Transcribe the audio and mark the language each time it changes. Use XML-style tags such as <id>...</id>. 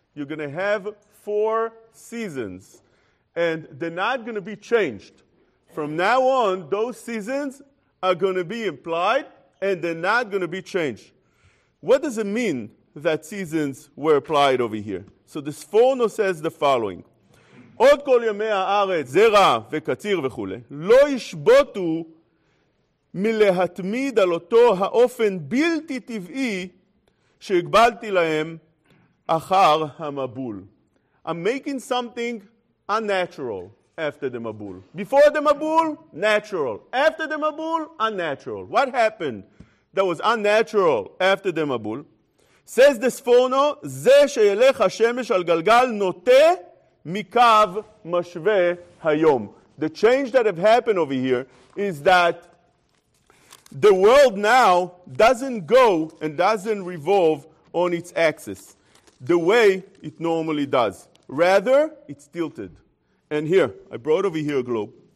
<en>You're going to have four seasons, and they're not going to be changed. From now on, those seasons are going to be implied, and they're not going to be changed. What does it mean that seasons were applied over here? So the Sforno says the following.</en> <he>עוד כל ימי הארץ, זרע וקציר וכו', לא ישבוטו מלהתמיד על אותו האופן בלתי טבעי שהגבלתי להם אחר המבול.</he> <en>I'm making something unnatural after the Mabul. Before the Mabul, natural. After the Mabul, unnatural. What happened that was unnatural after the Mabul? Says the Sforno,</en> <he>זה שילך השמש על גלגל נוטה Mikav Mashve Hayom.</he> <en>The change that have happened over here is that the world now doesn't go and doesn't revolve on its axis the way it normally does. Rather, it's tilted. And here, I brought over here a globe.</en>